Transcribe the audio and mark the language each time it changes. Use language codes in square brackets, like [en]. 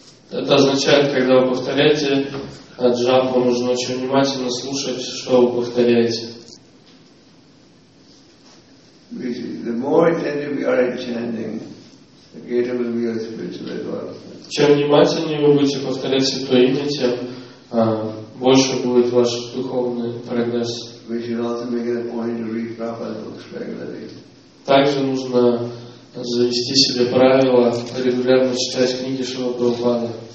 [ru] Это означает, когда вы повторяете джапу, нужно очень внимательно слушать, что вы повторяете. [en] The more attentive we are chanting, the greater will be our spiritual advancement. [ru] Чем внимательнее вы будете повторять Святое Имя, тем больше будет ваш духовный прогресс. [en] We should also make it a point to read Prabhupada books regularly. [ru] Также нужно завести себе правило регулярно читать книги Шрилы Прабхупады.